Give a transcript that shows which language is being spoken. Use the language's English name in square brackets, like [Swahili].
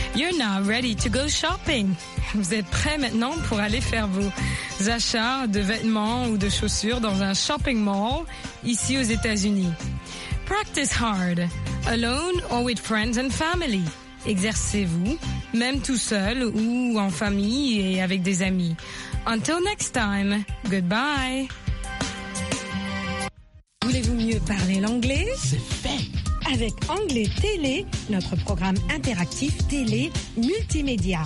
[French] Anna, [English] ready to go shopping. [French] Vous êtes prêts maintenant pour aller faire vos achats de vêtements ou de chaussures dans un shopping mall ici aux États-Unis. [English] Practice hard, alone or with friends and family. [French] Exercez-vous, même tout seul ou en famille et avec des amis. [English] Until next time, goodbye. [French] Voulez-vous mieux parler l'anglais? C'est fait! Avec Anglais Télé, notre programme interactif télé multimédia.